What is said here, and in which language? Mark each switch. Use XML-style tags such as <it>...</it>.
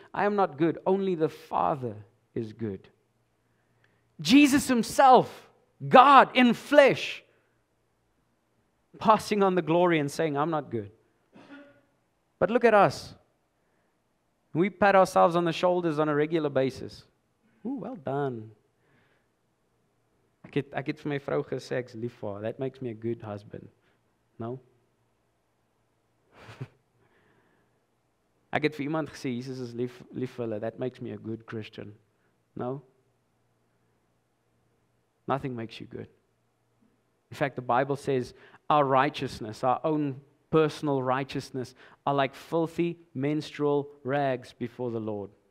<en>I am not good, only the Father is good. Jesus himself, God in flesh, passing on the glory and saying, I'm not good. But look at us. We pat ourselves on the shoulders on a regular basis. Ooh, well done.</en> <af>Ek het vir my vrou gesê, ek's lief vir haar.</af> <en>That makes me a good husband. No?</en> <af>Ek het vir iemand gesê, Jesus is lief vir hulle.</af> <en>That makes me a good Christian. No? Nothing makes you good. In fact, the Bible says, our righteousness, our own personal righteousness are like filthy menstrual rags before the Lord.</en>